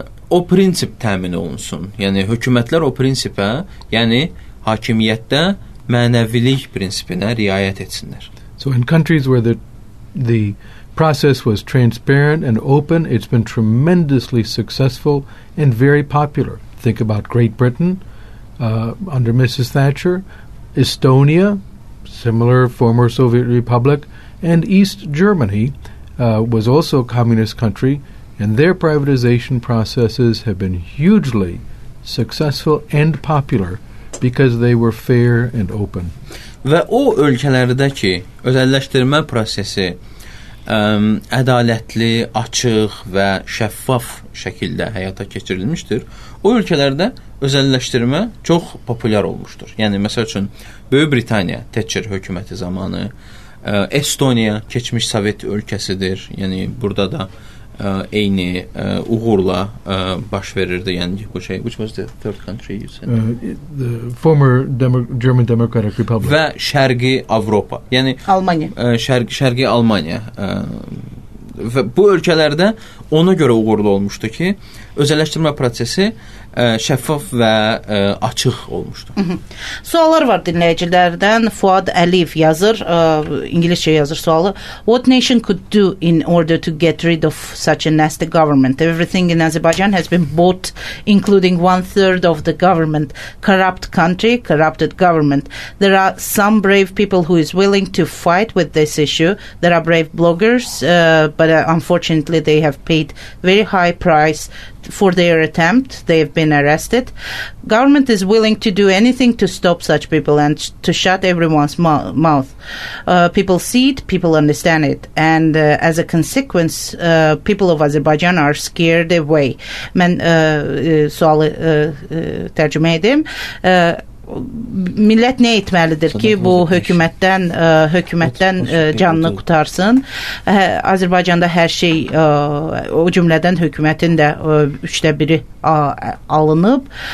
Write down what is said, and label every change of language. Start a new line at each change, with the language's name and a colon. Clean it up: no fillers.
Azerbaijani: o prinsip təmin olunsun. Yəni hökumətlər o prinsipə, yəni hakimiyyətdə mənəvilik prinsipinə riayət etsinlər.
English: So in countries where the process was transparent and open, it's been tremendously successful and very popular. Think about Great Britain under Mrs. Thatcher, Estonia, similar former Soviet Republic, and East Germany was also a communist country, and their privatization processes have been hugely successful and popular because they were fair and open.
Azerbaijani: Və o ölkələrdəki özəlləşdirmə prosesi ədalətli, açıq və şəffaf şəkildə həyata keçirilmişdir. O ölkələrdə özəlləşdirmə çox populyar olmuşdur. Yəni, məsəl üçün, Böyük Britaniya Thatcher hökuməti zamanı, Estoniya keçmiş sovet ölkəsidir. Yəni, burada da eyni uğurla baş verirdi. Yəni, bu şey,
English: which was the third country you said? The former German Democratic Republic.
Azerbaijani: Və Şərqi Avropa. Yəni, Almanya. Şərqi Almanya. Və bu ölkələrdə ona görə uğurlu olmuşdu ki, özəlləşdirmə prosesi şəffaf və açıq olmuşdu. Suallar var dinləyicilərdən. Fuad Əliyev yazır, ingiliscə yazır sualı.
English: What nation could do in order to get rid of such a nasty government? Everything in Azerbaijan has been bought, including one third of the government. Corrupt country, corrupted government. There are some brave people who is willing to fight with this issue. There are brave bloggers, but unfortunately they have paid very high price for their attempt. They have been arrested. Government is willing to do anything to stop such people and to shut everyone's mouth. People see it, people understand it, and as a consequence, people of Azerbaijan are scared away.
Azerbaijani: Mən sualı tərcümə edim. Millət nə etməlidir ki, bu hökumətdən canını qutarsın? Azərbaycanda hər şey, o cümlədən hökumətin də üçdə biri alınıb.